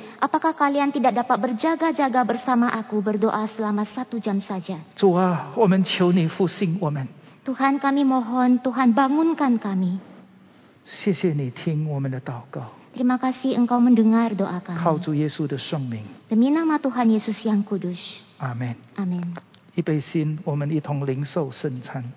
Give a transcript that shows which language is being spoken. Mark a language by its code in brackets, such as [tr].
[id] Apakah kalian tidak dapat berjaga-jaga bersama aku berdoa selama satu jam saja? [zh] 主啊, 我们求你复兴我们。 [id] Tuhan, kami mohon, Tuhan bangunkan kami. [zh] 谢谢你听我们的祷告。 [id] Terima kasih Engkau mendengar doa kami. [zh] 靠主耶稣的圣名。 [id] Demi nama Tuhan Yesus yang kudus. Amen. Amen. [zh] 预备心，我们一同领受圣餐。